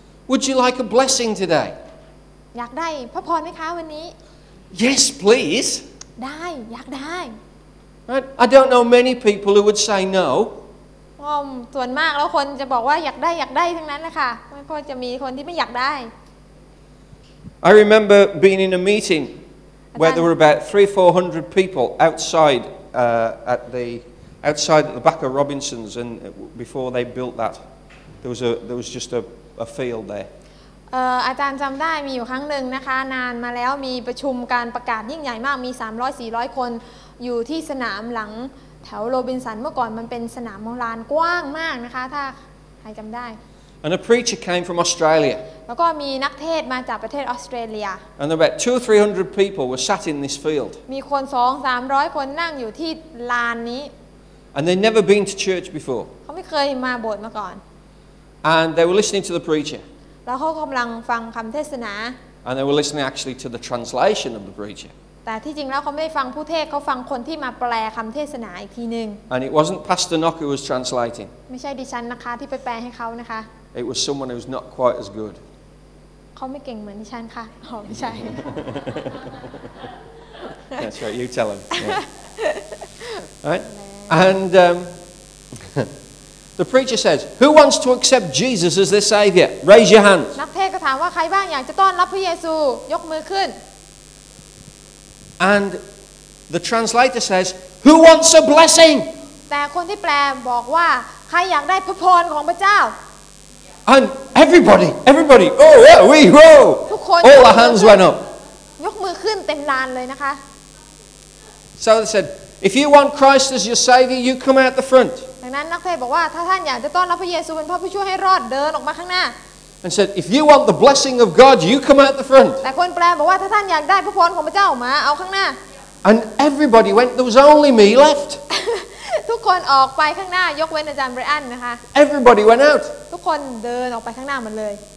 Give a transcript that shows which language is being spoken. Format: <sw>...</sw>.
<en>Would you like a blessing today?</en> <th>อยากได้พระพรไหมคะวันนี้</th> <en>Yes, please.</en> <th>ได้อยากได้</th> <en>I don't know many people who would say no.</en> <th>ส่วนมากแล้วคนจะบอกว่าอยากได้อยากได้ทั้งนั้นนะคะไม่ค่อยจะมีคนที่ไม่อยากได้</th> <en>I remember being in a meeting where there were about 300-400 people outside at the back of Robinson's and before they built that there was just a field there.</en> <th>อาจารย์จำได้มีอยู่ครั้งนึงนะคะนานมาแล้วมีประชุมการประกาศยิ่งใหญ่มากมี 300-400 คนอยู่ที่สนามหลังแถวโรบินสันเมื่อก่อนมันเป็นสนามโมลานกว้างมากนะคะถ้าใครจำได้</th> <en>And a preacher came from Australia</en> <th>แล้วก็มีนักเทศมาจากประเทศออสเตรเลีย</th> <en>And about 200-300 people were sat in this field</en> <th>มีคน 200-300 คนนั่งอยู่ที่ลานนี้</th> <en>And they'd never been to church before</en> <th>เขาไม่เคยมาโบสถ์มาก่อน</th> <en>And they were listening to the preacher</en> <th>แล้วเขากำลังฟังคำเทศนา</th> <en>And they were listening actually to the translation of the preacher</en> <th>แต่ที่จริงแล้วเขาไม่ฟังผู้เทศเขาฟังคนที่มาแปลคำเทศนาอีกทีนึง</th> <en>And it wasn't Pastor Nock who was translating</en> <th>ไม่ใช่ดิฉันนะคะที่ไปแปลให้เขานะคะ</th> <en>It was someone who was not quite as good</en> <th>เขาไม่เก่งเหมือนดิฉันค่ะไม่ใช่</th> <en>That's right you tell him yeah. Right and the preacher says who wants to accept Jesus as their savior raise your hands</en> <th>นักเทศก็ถามว่าใครบ้างอยากจะต้อนรับพระเยซูยกมือขึ้น</th> <en>And the translator says, "Who wants a blessing?"</en> <th>แต่คนที่แปลบอกว่าใครอยากได้พระพรของพระเจ้า</th> <en>And everybody, oh yeah, we go. All the hands went up.</en> <th>ยกมือขึ้นเต็มลานเลยนะคะ</th> <en>So they said, "If you want Christ as your savior, you come out the front."</en> <th>ดังนั้นนักเทศบอกว่าถ้าท่านอยากจะต้อนรับพระเยซูเป็นพระผู้ช่วยให้รอดเดินออกมาข้างหน้า</th> <en>And said, "If you want the blessing of God, you come out the front."</en> <th>แต่คนแปลบอกว่าถ้าท่านอยากได้พระพรของพระเจ้ามาเอาข้างหน้า</th> <en>And everybody went. There was only me left.</en> <th>ทุกคนออกไปข้างหน้ายกเว้นอาจารย์ไบรอันนะคะ</th> <en>Everybody went out.</en> <th>ทุกคนเดินออกไปข้างหน้ามันเลย</th>